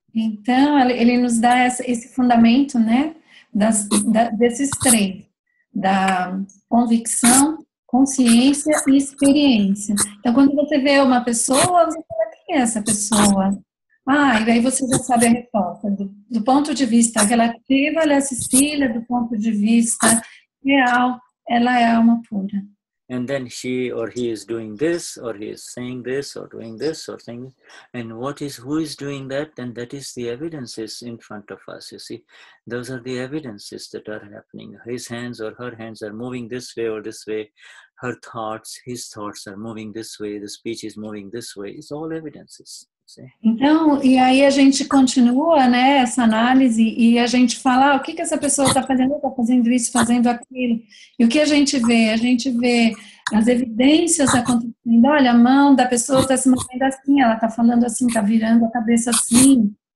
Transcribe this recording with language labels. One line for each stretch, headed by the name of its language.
Portuguese: Então, ele nos dá esse fundamento, né, desses três, da convicção, consciência e experiência. Então, quando você vê uma pessoa, essa pessoa? Ah, e aí você já sabe a resposta. Do ponto de vista relativo, ela é Cecília, do ponto de vista real, ela é alma pura.
English: And then she or he is doing this, or he is saying this, or doing this, or saying this. And what is, who is doing that? And that is the evidences in front of us, you see. Those are the evidences that are happening. His hands or her hands are moving this way or this way. Her thoughts, his thoughts are moving this way. The speech is moving this way. It's all evidences, you see.
Portuguese: Então, e aí a gente continua, né, essa análise, e a gente fala, ah, o que essa pessoa está fazendo isso, fazendo aquilo. E o que a gente vê? A gente vê as evidências acontecendo. Olha, a mão da pessoa está se movendo assim, ela está falando assim, está virando a cabeça assim.